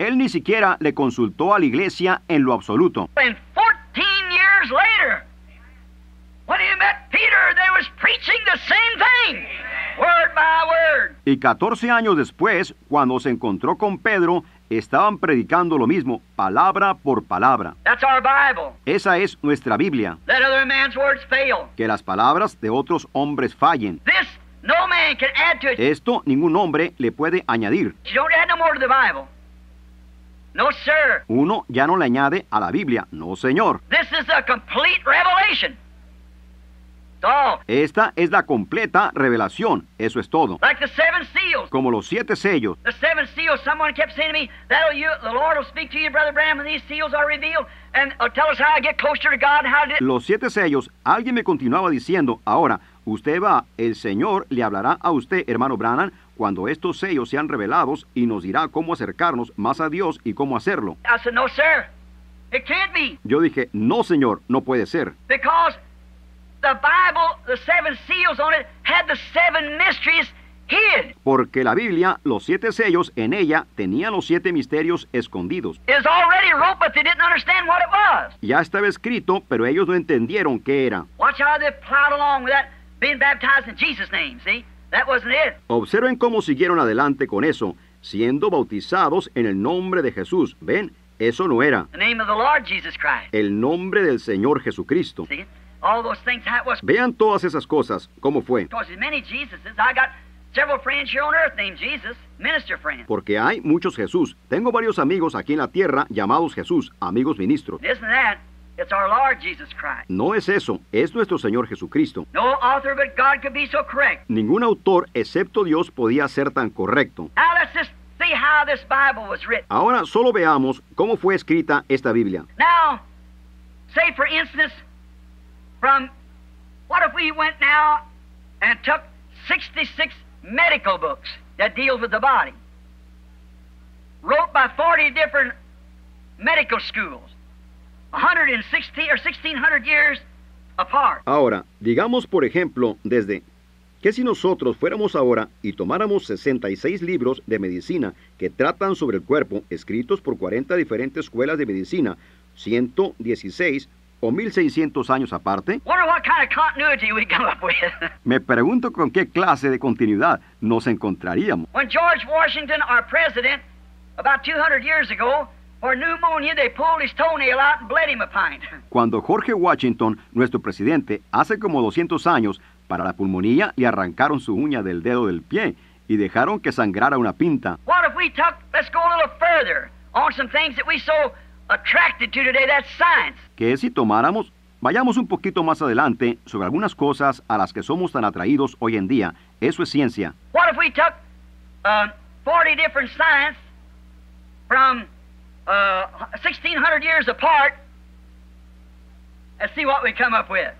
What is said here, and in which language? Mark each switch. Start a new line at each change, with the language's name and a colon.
Spanish: Él ni siquiera le consultó a la iglesia en lo absoluto.
English: And 14 years later, when he met Peter, they was preaching the same thing. Word by word.
Spanish: Y 14 años después, cuando se encontró con Pedro, estaban predicando lo mismo, palabra por palabra.
English: That's our Bible.
Spanish: Esa es nuestra Biblia.
English: Let other man's words fail.
Spanish: Que las palabras de otros hombres fallen.
English: This, no man can add to it.
Spanish: Esto ningún hombre le puede añadir.
English: You don't add no more to the Bible. No, sir.
Spanish: Uno ya no le añade a la Biblia. No, señor.
English: This is a complete revelation.
Spanish: Esta es la completa revelación, eso es todo.
English: Like the seven seals.
Spanish: Como los 7 sellos.
English: The 7 seals, someone kept saying to me, the Lord will speak to you, Brother Branham, when these seals are revealed, and tell us how I get closer to God, and how to...
Spanish: Los 7 sellos, alguien me continuaba diciendo, ahora, usted va, el Señor le hablará a usted, hermano Branham, cuando estos sellos sean revelados, y nos dirá cómo acercarnos más a Dios y cómo hacerlo.
English: I said, no, sir, it can't be.
Spanish: Yo dije, no, señor, no puede ser.
English: Because... The Bible, the 7 seals on it, had the 7 mysteries hid.
Spanish: Porque la Biblia, los 7 sellos en ella, tenían los 7 misterios escondidos.
English: It was already wrote, but they didn't understand what it was.
Spanish: Ya estaba escrito, pero ellos no entendieron qué era.
English: Watch how they plowed along with that being baptized in Jesus' name, see? That wasn't it.
Spanish: Observen cómo siguieron adelante con eso, siendo bautizados en el nombre de Jesús. ¿Ven? Eso no era.
English: The name of the Lord Jesus Christ.
Spanish: El nombre del Señor Jesucristo.
English: See? All those things, how it was.
Spanish: Vean todas esas cosas, cómo fue.
English: Because there's many Jesuses. I got several friends here on earth named Jesus, minister friends.
Spanish: Porque hay muchos Jesús. Tengo varios amigos aquí en la tierra llamados Jesús, amigos ministros.
English: Isn't that It's our Lord Jesus Christ.
Spanish: No es eso, es nuestro Señor Jesucristo.
English: No author but God could be so correct.
Spanish: Ningún autor excepto Dios podía ser tan correcto.
English: Now let's just see how this Bible was written.
Spanish: Ahora solo veamos cómo fue escrita esta Biblia.
English: Now, say for instance, from what if we went now and took 66 medical books that deal with the body, wrote by 40 different medical schools, 160 or 1600 years apart.
Spanish: Ahora, digamos por ejemplo, desde que si nosotros fuéramos ahora y tomáramos 66 libros de medicina que tratan sobre el cuerpo, escritos por 40 diferentes escuelas de medicina, 116 o 1600 años aparte.
English: Wonder what kind of continuity we come up with.
Spanish: Me pregunto con qué clase de continuidad nos encontraríamos.
English: When George Washington, our president, about 200 years ago, for pneumonia, they pulled his toenail out and bled him a pint.
Spanish: Cuando George Washington, nuestro presidente, hace como 200 años, para la pulmonía le arrancaron su uña del dedo del pie y dejaron que sangrara una pinta.
English: What if we took, let's go a little further on some things that we so attracted to today, that's science.
Spanish: ¿Qué si tomáramos? Vayamos un poquito más adelante sobre algunas cosas a las que somos tan atraídos hoy en día. Eso es ciencia.
English: What if we took 40 different science from 1600 years apart and see what we come up with.